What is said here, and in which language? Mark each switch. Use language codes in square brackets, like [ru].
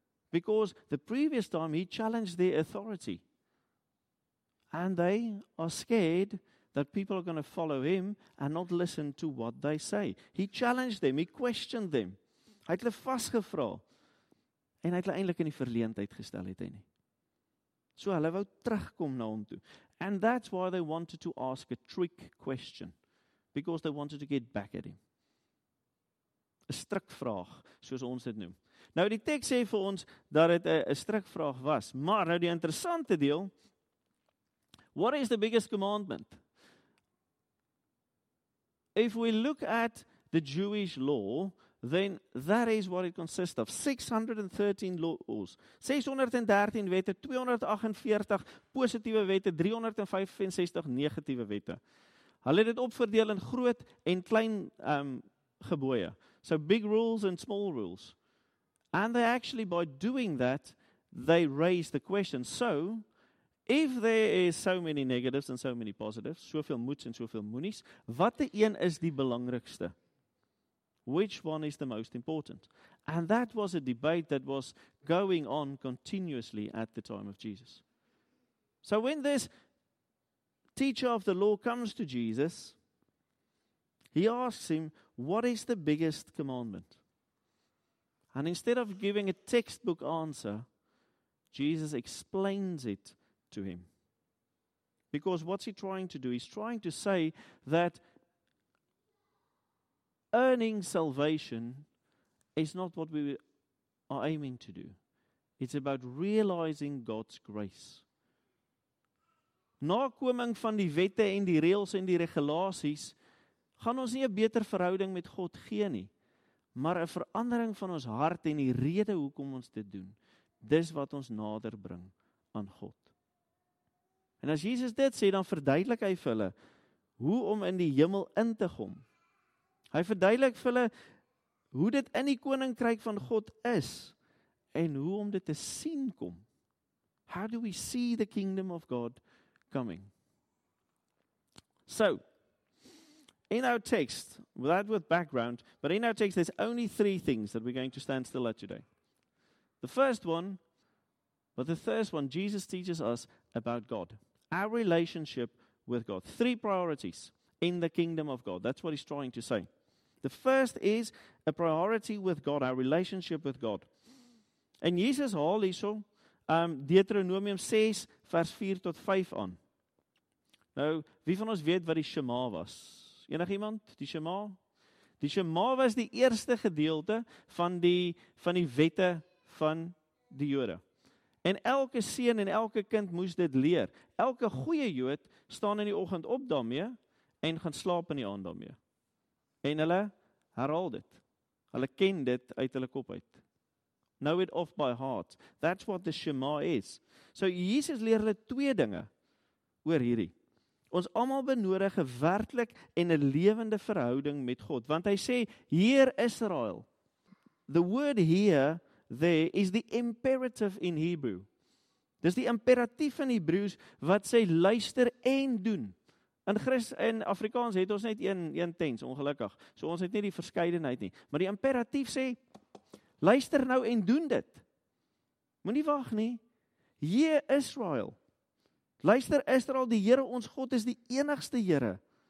[en] Because the previous time he challenged their authority. And they are scared that people are going to follow him and not listen to what they say. He challenged them, he questioned them. [af] Hy het hulle vasgevra. En hy het hulle eintlik in die verleentheid gestel het hy nie. So hulle wou terugkom na hom toe. [en] And that's why they wanted to ask a trick question. Because they wanted to get back at him. [af] 'N strikvraag, soos ons dit noem. Nou die teks sê vir ons dat dit 'n strikvraag was. Maar nou die interessante deel... [en] What is the biggest commandment? If we look at the Jewish law, then that is what it consists of. 613 laws. [af] 613 wette, 248 positiewe wette, 365 negatiewe wette. Hulle het dit opverdeel in groot en klein gebooie. [en] So big rules and small rules. And they actually, by doing that, they raise the question. So, if there is so many negatives and so many positives, [af] soveel moets en soveel moenies, wat die een is die belangrikste? [en] Which one is the most important? And that was a debate that was going on continuously at the time of Jesus. So when this teacher of the law comes to Jesus, he asks him, what is the biggest commandment? And instead of giving a textbook answer, Jesus explains it to him. Because what's he trying to do? He's trying to say that earning salvation is not what we are aiming to do. It's about realizing God's grace. [af] Nakoming van die wette en die reëls en die regulasies, gaan ons nie 'n beter verhouding met God gee nie, maar 'n verandering van ons hart en die rede hoekom ons dit doen, dis wat ons nader bring aan God. En as Jesus dit sê, dan verduidelik hy vir hulle, hoe om in die hemel in te kom. Hy verduidelik vir hulle, hoe dit in die koninkryk van God is, en hoe om dit te sien kom. [en] How do we see the kingdom of God coming? So, in our text, without with background, but in our text, there's only three things that we're going to stand still at today. The first one, Jesus teaches us about God, our relationship with God. Three priorities in the kingdom of God. That's what he's trying to say. The first is a priority with God, our relationship with God. [af] En Jesus haal hierso Deuteronomium 6 vers 4 tot 5 aan. Nou, wie van ons weet wat die Shema was? Enig iemand? Die Shema? Die Shema was die eerste gedeelte van die wette van die Jode. En elke seun en elke kind moes dit leer. Elke goeie Jood staan in die oggend op daarmee en gaan slaap in die aand daarmee. En hulle herhaal dit. Hulle ken dit uit hulle kop uit. [en] Know it off by heart. That's what the Shema is. [af] So Jesus leer hulle twee dinge oor hierdie. Ons almal benodig 'n werklik en 'n lewende verhouding met God. Want hy sê, Heer Israel. [en] The word here, there, is the imperative in Hebrew. [af] Dis die imperatief in Hebreeus wat sê, luister en doen. In Afrikaans het ons net een tens, ongelukkig. So ons het nie die verskeidenheid nie. Maar die imperatief sê, luister nou en doen dit. Moenie wag nie. Heer Israel. Luister Israel, die Here ons God is die enigste Here.